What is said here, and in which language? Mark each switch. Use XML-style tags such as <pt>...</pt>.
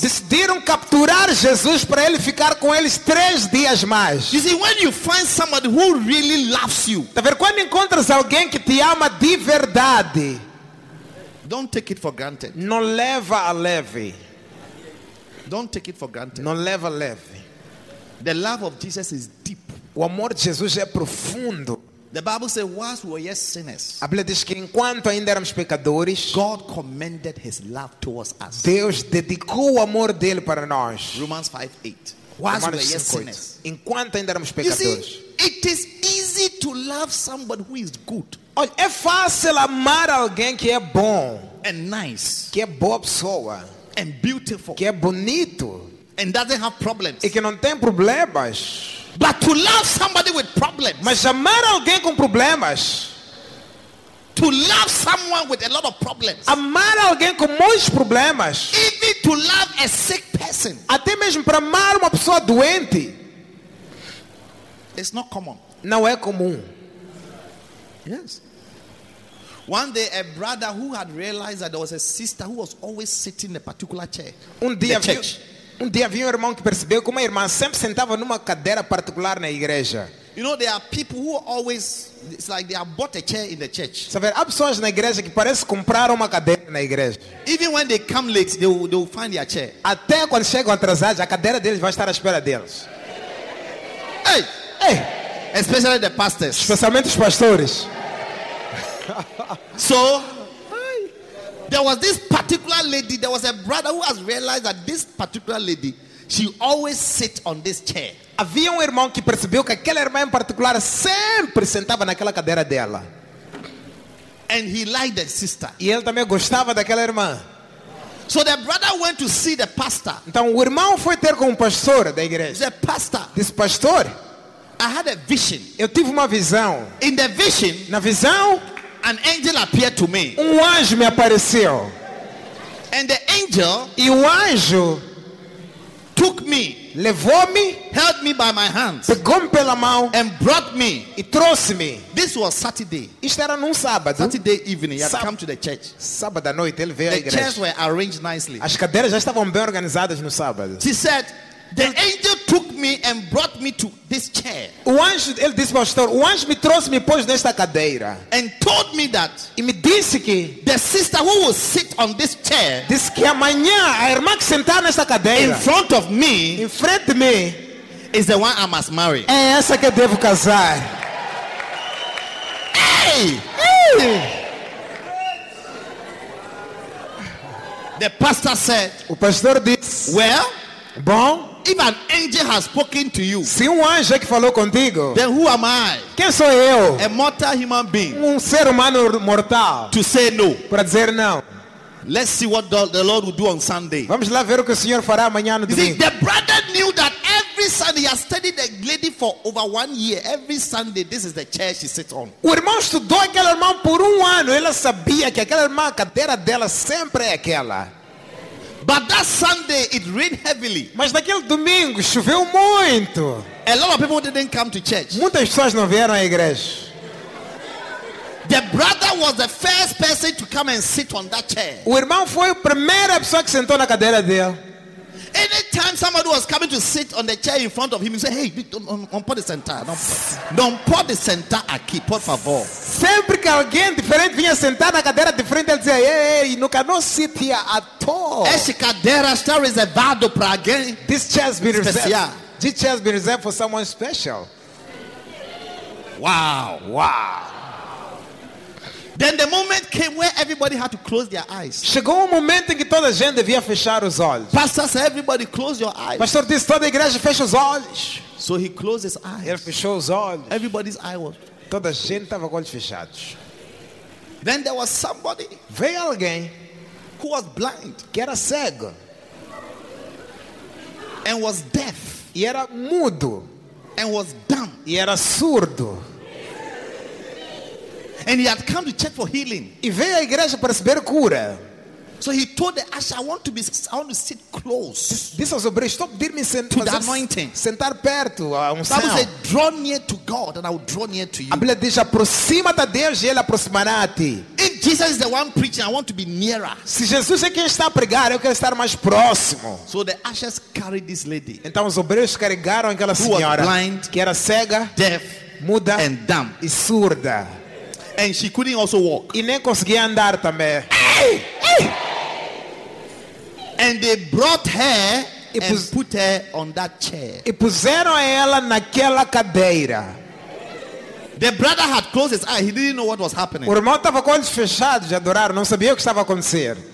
<pt>Decidiram capturar Jesus para ele ficar com eles 3 dias mais.</pt> <en>You see, when you find somebody who really loves you,</en> <pt>tá vendo? Quando encontras alguém que te ama de verdade,</pt> <en>don't take it for granted.</en> <pt>Não leva a leve.</pt> <en>Don't take it for granted.</en> <pt>Não leva a leve.</pt> <en>The love of Jesus is deep.</en> <pt>O amor de Jesus é profundo.</pt> <en>The Bible says, "Whilst we were yet sinners."</en> <pt>A Bíblia diz que enquanto ainda éramos pecadores,</pt> <en>God commended His love towards us.</en> <pt>Deus dedicou o amor dele para nós.</pt> <en>Romans 5:8. Whilst we were yet sinners.</en> <pt>Enquanto ainda éramos pecadores.</pt> <en>You see, it is easy to love somebody who is good.</en> <pt>Olha, é fácil amar alguém que é bom.</pt> <en>And nice.</en> <pt>Que é boa pessoa.</pt> <en>And beautiful.</en> <pt>Que é bonito.</pt> <en>And doesn't have problems.</en> <pt>E que não tem problemas.</pt> <en>But to love somebody with problems.</en> <pt>Mas amar alguém com problemas.</pt> <en>To love someone with a lot of problems.</en> <pt>Amar alguém com muitos problemas.</pt> <en>Even to love a sick person.</en> <pt>Até mesmo para amar uma pessoa doente.</pt> <en>It's not common.</en> <pt>Não é comum.</pt> <en>Yes. One day, a brother who had realized that there was a sister who was always sitting in a particular chair.</en> <pt>Um dia havia um irmão que percebeu que uma irmã sempre sentava numa cadeira particular na igreja.</pt> <en>You know, there are people who always, it's like they have bought a chair in the church.</en> <pt>Sabe, há pessoas na igreja que parece comprar uma cadeira na igreja.</pt> <en>Even when they come late, they will find their chair.</en> <pt>Até quando chegam atrasados, a cadeira deles vai estar à espera deles. Hey, hey.</pt> <en>Especially the pastors.</en> <pt>Especialmente os pastores.</pt> <en>So, there was this particular lady, there was a brother who has realized that this particular lady, she always sits on this chair.</en> <pt>Havia um irmão que percebeu que aquela irmã em particular sempre sentava naquela cadeira dela.</pt> <en>And he liked the sister.</en> <pt>E ele também gostava daquela irmã.</pt> <en>So the brother went to see the pastor.</en> <pt>Então o irmão foi ter com o pastor da igreja.</pt> <en>The pastor.</en> <pt>Disse, pastor,</pt> <en>I had a vision.</en> <pt>Eu tive uma visão.</pt> <en>In the vision,</en> <pt>na visão,</pt> <en>an angel appeared to me.</en> <pt>Um anjo me apareceu.</pt> <en>And the angel,</en> <pt>e o anjo,</pt> <en>took me,</en> <pt>levou-me,</pt> <en>held me by my hands,</en> <pt>pegou-me pela mão,</pt> <en>and brought me,</en> <pt>e trouxe-me.</pt> <en>This was Saturday.</en> <pt>Isto era num sábado.</pt> <en>Saturday evening, he had come to the church.</en> <pt>Sábado à noite ele veio</pt> <en>the</en> <pt>à igreja.</pt> <en>The chairs were arranged nicely.</en> <pt>As cadeiras já estavam bem organizadas no sábado.</pt> <en>She said, the angel took me and brought me to this chair.</en> <pt>O anjo, ele disse, pastor, o anjo me trouxe, me pôs nesta cadeira.</pt> <en>And told me that,</en> <pt>e me disse que,</pt> <en>the sister who will sit on this chair,</en> <pt>disse que amanhã a irmã que sentar nesta cadeira,</pt> <en>in front of me,</en> <pt>em frente de mim,</pt> <en>is the one I must marry.</en> <pt>É essa que eu devo casar. Hey! Hey!</pt> <en>The pastor said,</en> <pt>o pastor disse,</pt> <en>well,</en> <pt>bom,</pt> <en>if an angel has spoken to you,</en> <pt>se um anjo é que falou contigo,</pt> <en>then who am I?</en> <pt>Quem sou eu?</pt> <en>A mortal human being.</en> <pt>Um ser humano mortal.</pt> <en>To say no.</en> <pt>Para dizer não.</pt> <en>Let's see what the Lord will do on Sunday.</en> <pt>Vamos lá ver o que o Senhor fará amanhã no domingo.</pt> <en>The brother knew that every Sunday he has studied the lady for over 1 year. Every Sunday, this is the chair she sits on.</en> <pt>O irmão estudou aquela irmã por 1 ano. Ela sabia que aquela irmã, a cadeira dela sempre é aquela.</pt> <en>But that Sunday it rained heavily.</en> <pt>Mas naquele domingo choveu muito.</pt> <en>A lot of people didn't come to church.</en> <pt>Muitas pessoas não vieram à igreja.</pt> <en>The brother was the first person to come and sit on that chair.</en> <pt>O irmão foi a primeira pessoa que sentou na cadeira dele.</pt> <en>Anytime somebody was coming to sit on the chair in front of him, he said, "Hey, don't put the center. Don't put the center</en> <pt>aqui, por favor." Sempre que alguém diferente vinha sentar na cadeira de frente, ele dizia,</pt> <en>"Hey, you cannot sit here at all."</en> <pt>Essa cadeira está reservada para alguém.</pt> <en>This chair has been reserved. This chair has been reserved for someone special. Wow, wow. Then the moment came where everybody had to close their eyes.</en> <pt>Chegou um momento em que toda a gente devia fechar os olhos.</pt> <en>Pastor said, "Everybody, close your eyes."</en> <pt>Pastor disse, toda a igreja fecha os olhos.</pt> <en>So he closed his eyes.</en> <pt>Ele fechou os olhos.</pt> <en>Everybody's eye was.</en> <pt>Toda a gente estava com os olhos fechados.</pt> <en>Then there was somebody.</en> <pt>Veio alguém</pt> <en>who was blind.</en> <pt>Que era cego.</pt> <en>And was deaf.</en> <pt>E era mudo.</pt> <en>And was dumb.</en> <pt>E era surdo.</pt> <en>And he had come to check for healing.</en> <pt>E veio à igreja para receber cura.</pt> <en>So he told the usher, I want to sit close. This was a bridge. Stop dear me to the anointing.</en> <pt>Sentar perto a unção.</pt> <en>Bible said, draw near to God and I will draw near to you.</en> <pt>A Bíblia diz, aproxima-te a Deus e ele aproximará a ti.</pt> <en>If Jesus is the one preaching, I want to be nearer.</en> <pt>Se Jesus é quem está a pregar, eu quero estar mais próximo.</pt> <en>So the ushers carried this lady.</en> <pt>Então os obreiros carregaram aquela senhora,</pt> <en>who was blind,</en> <pt>que era cega,</pt> <en>deaf,</en> <pt>muda</pt> <en>and dumb.</en> <pt>E surda.</pt> <en>And she couldn't also walk.</en> <pt>E nem conseguia andar também.</pt> <en>And they brought her and put her on that chair.</en> <pt>E puseram ela naquela cadeira.</pt> <en>The brother had closed his eyes. He didn't know what was happening.</en> <pt>O irmão estava com olhos fechados de adorar, não sabia o que estava a acontecer.</pt>